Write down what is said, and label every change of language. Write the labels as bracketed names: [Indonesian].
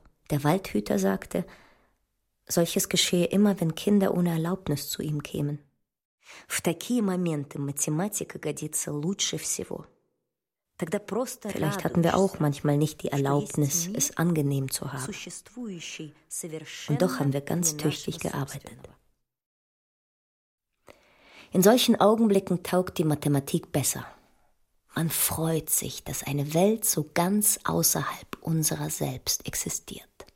[German] Der Waldhüter sagte, solches geschehe immer, wenn Kinder ohne Erlaubnis zu ihm kämen. [Russian] В такие моменты математика годится лучше всего. Тогда просто [German] Vielleicht hatten wir auch manchmal nicht die Erlaubnis, es angenehm zu haben. Und doch haben wir ganz tüchtig gearbeitet. In solchen Augenblicken taugt die Mathematik besser. Man freut sich, dass eine Welt so ganz außerhalb unserer selbst existiert.